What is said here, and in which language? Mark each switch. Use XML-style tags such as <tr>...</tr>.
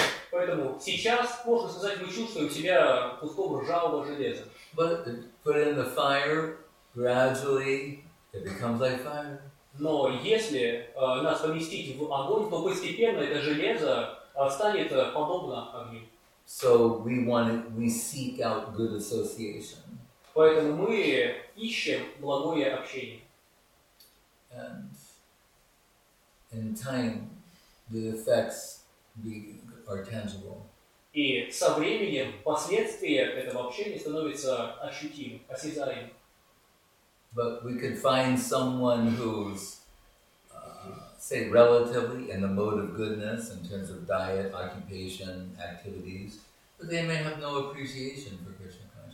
<ru>Поэтому сейчас, можно сказать, мы чувствуем себя куском ржавого железа.</ru> <en>But put it in the fire, gradually it becomes like fire.</en> <ru>Но если нас поместить в огонь, то постепенно это железо станет подобно огню.</ru> <en>So we seek out good association.</en> <ru>Поэтому мы ищем благое общение.</ru> <en>And in time, the effects are tangible.</en> <ru>И со временем последствия этого общения становятся ощутимы, осязаемы.</ru> <en>But we could find someone who's, say, relatively in the mode of goodness in terms of diet, occupation, activities, but they may have no appreciation for Krishna.</en>